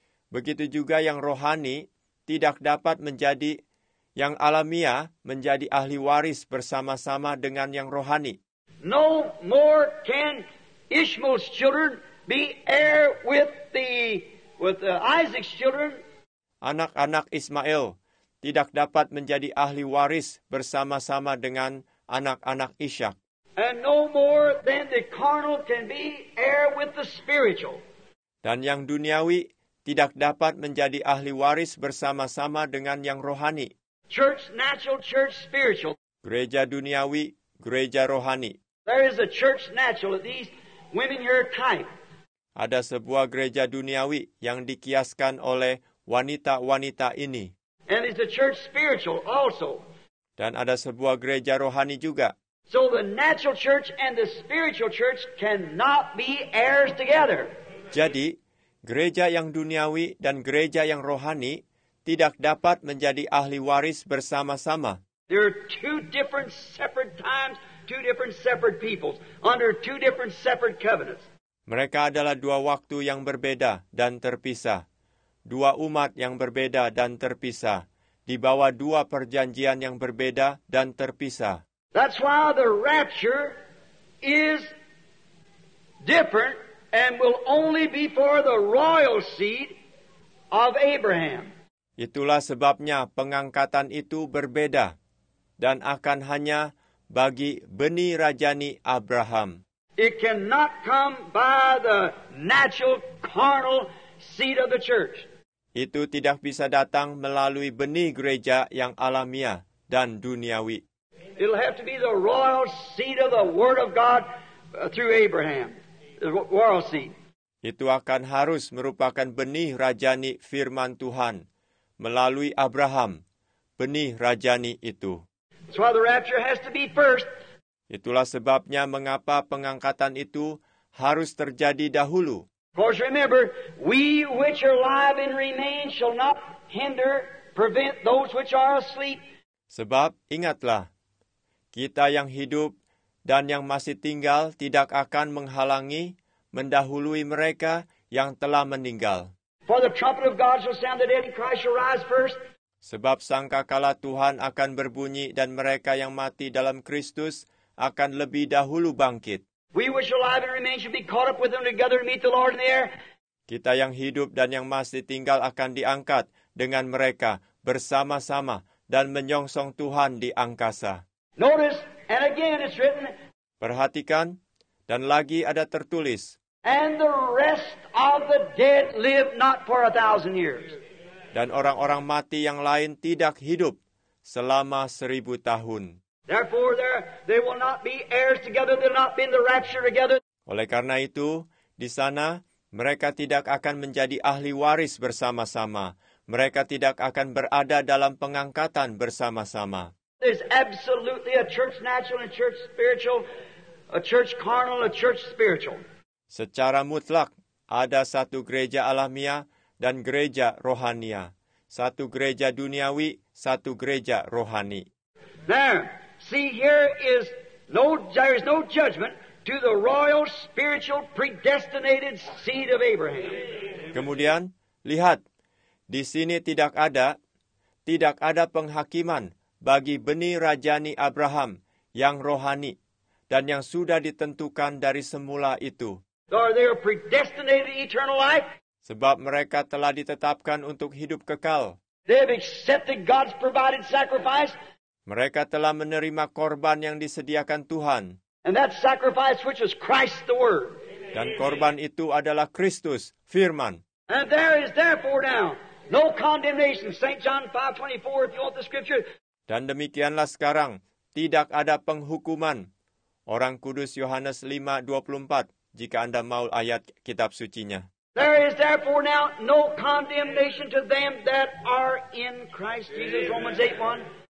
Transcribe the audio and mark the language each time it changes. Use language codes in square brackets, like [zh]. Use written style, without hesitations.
[id] Begitu juga yang rohani tidak dapat menjadi yang alamiah menjadi ahli waris bersama-sama dengan yang rohani. [en] No more can Ishmael's children be heir with the Isaac's children. [id] Anak-anak Ismail tidak dapat menjadi ahli waris bersama-sama dengan anak-anak Ishak. [en] And no more than the carnal can be heir with the spiritual. [id] Dan yang duniawi tidak dapat menjadi ahli waris bersama-sama dengan yang rohani. [en] Church natural, church spiritual. [id] Gereja duniawi, gereja rohani. [en] There is a church natural that these women here type. [id] Ada sebuah gereja duniawi yang dikiaskan oleh wanita-wanita ini. [en] And is a church spiritual also. [id] Dan ada sebuah gereja rohani juga. [en] So the natural church and the spiritual church cannot be heirs together. [id] Jadi, gereja yang duniawi dan gereja yang rohani tidak dapat menjadi ahli waris bersama-sama. [en] There are two different separate times, two different separate peoples, under two different separate covenants. [id] Mereka adalah dua waktu yang berbeda dan terpisah. Dua umat yang berbeda dan terpisah. Di bawah dua perjanjian yang berbeda dan terpisah. [en] That's why the rapture is different and will only be for the royal seed of Abraham. [id] Itulah sebabnya pengangkatan itu berbeda dan akan hanya bagi benih rajani Abraham. [en] It cannot come by the natural carnal seed of the church. [id] Itu tidak bisa datang melalui benih gereja yang alamiah dan duniawi. [en] It'll have to be the royal seed of the Word of God through Abraham, the royal seed. [id] Itu akan harus merupakan benih rajani firman Tuhan melalui Abraham, benih rajani itu. [en] That's why the rapture has to be first. [id] Itulah sebabnya mengapa pengangkatan itu harus terjadi dahulu. [en] Of course, remember, we which are alive and remain shall not hinder, prevent those which are asleep. [id] Sebab, ingatlah, kita yang hidup dan yang masih tinggal tidak akan menghalangi, mendahului mereka yang telah meninggal. [en] For the trumpet of God shall sound, the dead in Christ shall rise first. [id] Sebab sangkakala Tuhan akan berbunyi dan mereka yang mati dalam Kristus akan lebih dahulu bangkit. [en] We which are alive and remain shall be caught up with them together to meet the Lord in the air. [id] Kita yang hidup dan yang masih tinggal akan diangkat dengan mereka bersama-sama dan menyongsong Tuhan di angkasa. [en] Notice, and again it's written. [id] Perhatikan, dan lagi ada tertulis. [en] And the rest of the dead live not for 1,000 years. [id] Dan orang-orang mati yang lain tidak hidup selama 1,000 tahun. [en] Therefore, they will not be heirs together. They'll not be in the rapture together. [id] Oleh karena itu, di sana mereka tidak akan menjadi ahli waris bersama-sama. Mereka tidak akan berada dalam pengangkatan bersama-sama. [en] There's absolutely a church natural and a church spiritual, a church carnal, a church spiritual. [id] Secara mutlak, ada satu gereja alamiah dan gereja rohania. Satu gereja duniawi, satu gereja rohani. [en] There. See, here is no, there is no judgment to the royal, spiritual, predestinated seed of Abraham. [id] Kemudian, lihat, di sini tidak ada penghakiman bagi benih rajani Abraham yang rohani dan yang sudah ditentukan dari semula itu. [en] Are they predestinated eternal life? [id] Sebab mereka telah ditetapkan untuk hidup kekal. [en] They have accepted God's provided sacrifice. [id] Mereka telah menerima korban yang disediakan Tuhan. [en] And that sacrifice which is Christ the Word. [id] Dan korban itu adalah Kristus, Firman. [en] And there is therefore now no condemnation. St. John 5:24, if you want the scripture. [id] Dan demikianlah sekarang, tidak ada penghukuman. Orang Kudus Yohanes 5:24, jika Anda mau ayat kitab sucinya. [en] There is therefore now no condemnation to them that are in Christ Jesus, Romans 8:1.